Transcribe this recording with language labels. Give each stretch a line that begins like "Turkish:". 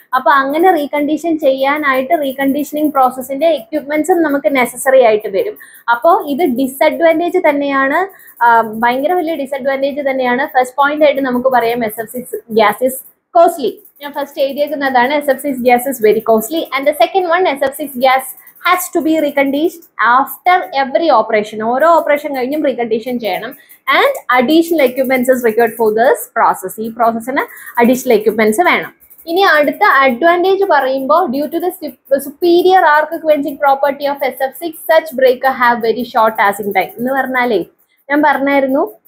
Malayalam: അപ്പൊ അങ്ങനെ റീകണ്ടീഷൻ ചെയ്യാനായിട്ട് റീകണ്ടീഷനിങ് പ്രോസസ്സിന്റെ എക്യുപ്മെന്റ്സും നമുക്ക് നെസസറി ആയിട്ട് വരും. അപ്പോൾ ഇത് ഡിസഡ്വാൻറ്റേജ് തന്നെയാണ്, ഭയങ്കര വലിയ ഡിസഡ്വാൻറ്റേജ് തന്നെയാണ്. ഫസ്റ്റ് പോയിന്റ് ആയിട്ട് നമുക്ക് പറയാം,
English: SF6 gas is costly.
Malayalam: ഞാൻ first എഴുതിയേക്കുന്നതാണ്
English: SF6 gas is very costly. And the second one, SF6 gas has to be reconditioned after every operation.
Malayalam: ഓരോ ഓപ്പറേഷൻ കഴിഞ്ഞും റീകണ്ടീഷൻ ചെയ്യണം.
English: And additional equipments is required for this process.
Malayalam: ഈ പ്രോസസ്സിന് additional equipments വേണം. ഇനി അടുത്ത advantage പറയുമ്പോൾ,
English: due to the superior arc quenching property of SF6 such breaker have very short arcing time
Malayalam: എന്ന് പറഞ്ഞാലേ, ഞാൻ പറഞ്ഞായിരുന്നു